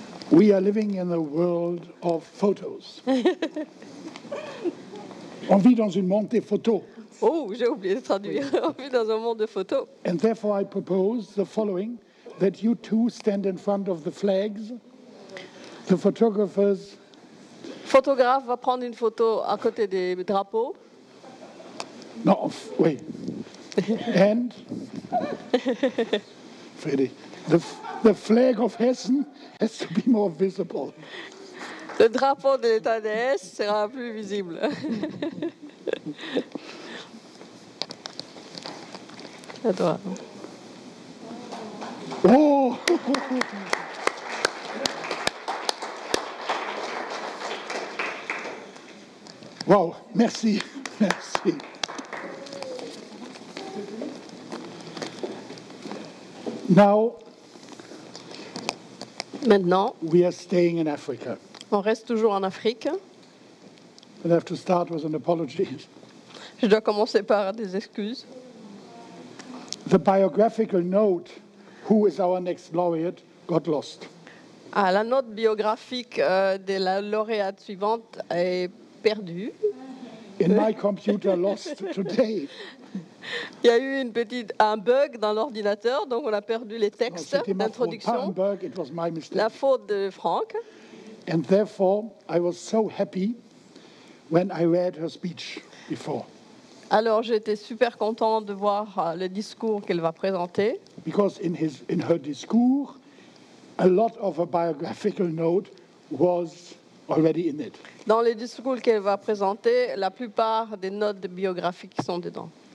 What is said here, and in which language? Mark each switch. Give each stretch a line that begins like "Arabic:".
English: We are living in a world of photos.
French: On vit dans un monde des photos. Oh, j'ai oublié de traduire. On vit dans un monde de photos.
English: And therefore I propose the following, that you two stand in front of the flags. The photographers.
French: Photographe va prendre une photo à côté des drapeaux.
English: No, wait. And Freddy, the flag of Hessen has to be more visible.
French: Le drapeau de l'État de Hesse sera plus visible. À toi. Oh. Wow, merci, merci.
English: Now,
French: maintenant,
English: we are staying in Africa.
French: On reste toujours en Afrique.
English: I have to start with an apology.
French: Je dois commencer par des excuses.
English: The biographical note, who is our next laureate, got lost.
French: Ah, la note biographique de la lauréate suivante est perdue.
English: In my computer, lost today.
French: Il y a eu une petite, un bug dans l'ordinateur, donc on a perdu les textes d'introduction. Pas un bug,
English: it was my mistake.
French: La faute de Franck.
English: And therefore, I was so happy when I read her speech before.
French: Alors, j'étais super content de voir le discours qu'elle va présenter.
English: Because in her discours, a lot of her biographical note was already in it.
French: Dans le discours qu'elle va présenter, la plupart des notes biographiques sont dedans.